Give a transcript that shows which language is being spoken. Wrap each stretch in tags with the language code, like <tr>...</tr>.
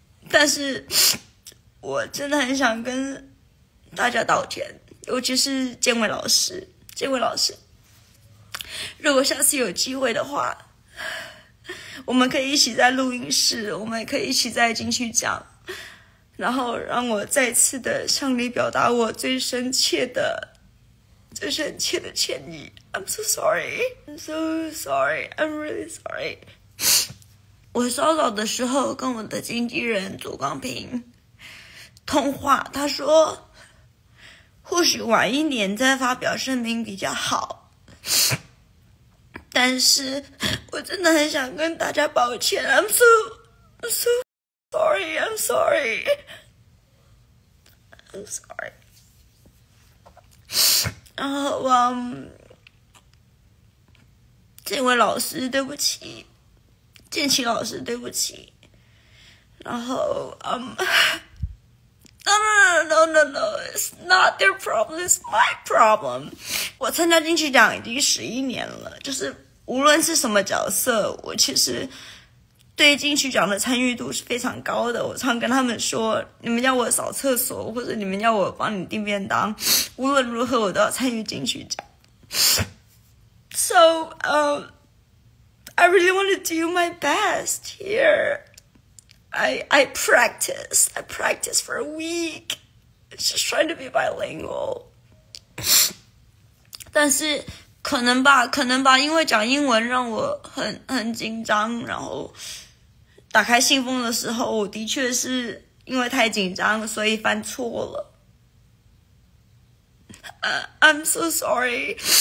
<zh>但是我真的很想跟大家道歉，尤其是建伟老师，建伟老师，如果下次有机会的话，我们可以一起在录音室，我们可以一起在金曲奖，然后让我再次的向你表达我最深切的这是很切的歉意。</zh> <en>I'm so sorry, I'm so sorry, I'm really sorry。</en> <zh>我稍早的时候跟我的经纪人左光平通话，他说或许晚一年再发表声明比较好，但是我真的很想跟大家抱歉。</zh> <en>I'm so, I'm so sorry, I'm sorry, I'm sorry。</en> <zh>然后我这位老师对不起，建奇老师对不起，然后</zh> <en>No, it's not their problem, it's my problem。</en> <zh>我参加金曲奖已经11年了，就是无论是什么角色，我其实对金曲奖的参与度是非常高的。我常跟他们说，你们叫我扫厕所，或者你们叫我帮你订便当，无论如何我都要参与金曲奖。</zh> <en>So I really want to do my best here. I practice for a week, just trying to be bilingual.</en> <zh>但是可能吧，可能吧，因为讲英文让我很紧张，然后打开信封的时候，我的确是因为太紧张，所以犯错了。</zh> <en>I'm so sorry。</en>